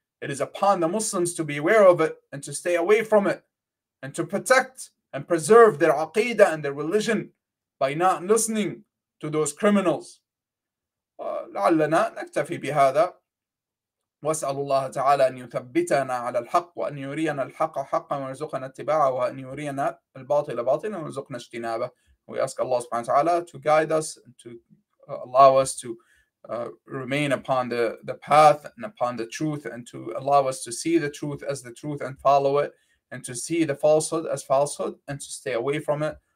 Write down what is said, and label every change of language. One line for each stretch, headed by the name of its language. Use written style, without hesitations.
English: It is upon the Muslims to be aware of it and to stay away from it and to protect and preserve their aqidah and their religion by not listening to those criminals.
Arabic: لعلنا نكتفي بهذا، واسأل الله تعالى أن يثبتنا على الحق وأن يرينا الحق حقا ويرزقنا اتباعه وأن يرينا الباطل باطلا ويرزقنا اجتنابه.
English: We ask Allah subhanahu wa ta'ala to guide us and to allow us to remain upon the path and upon the truth, and to allow us to see the truth as the truth and follow it, and to see the falsehood as falsehood and to stay away from it.